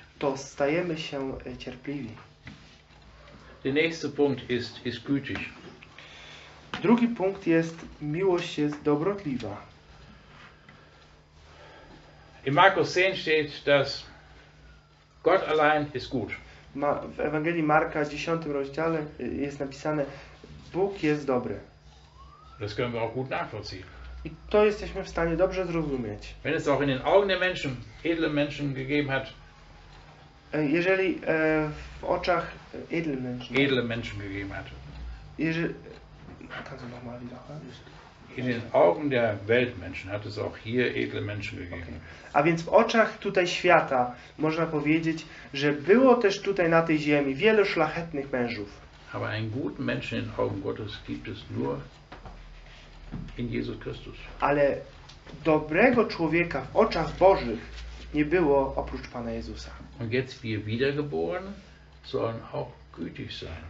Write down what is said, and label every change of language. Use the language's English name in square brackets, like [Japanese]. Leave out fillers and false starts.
[Polish] To stajemy się cierpliwi. [German] Der nächste Punkt ist gütig. [Polish] Drugi punkt jest, miłość jest dobrotliwa. [German] In Markus 10 steht, dass Gott allein ist gut. [Polish] W Ewangelii Marka, 10 rozdziale, jest napisane, Bóg jest dobry. [German] Das können wir auch gut nachvollziehen. [Polish] I to jesteśmy w stanie dobrze zrozumieć. [German] Wenn es auch in den Augen der Menschen, edlen Menschen gegeben hat, [Polish] jeżeli w oczach [German] edle Menschen gegeben hat. Kannst du noch mal wiederholen? In den Augen der Weltmenschen hat es auch hier edle Menschen gegeben. Okay. [Polish] A więc w oczach tutaj świata można powiedzieć, że było też tutaj na tej ziemi wiele szlachetnych mężów. [German] Aber einen guten Menschen in Augen Gottes gibt es nur in Jesus Christus. [Polish] Ale dobrego człowieka w oczach Bożych nie było oprócz Pana Jezusa. [German] Und jetzt wir wiedergeboren sollen auch gütig sein.